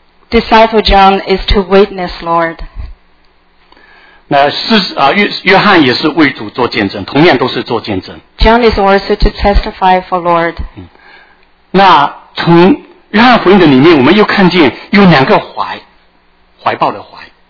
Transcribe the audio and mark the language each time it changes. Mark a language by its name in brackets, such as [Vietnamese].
[English] Disciple John is to witness Lord. [Chinese] 那是约翰也是为主做见证，同样都是做见证。 [English] John is also to testify for Lord. [Chinese] 那从约翰福音的里面，我们又看见有两个怀，怀抱的怀。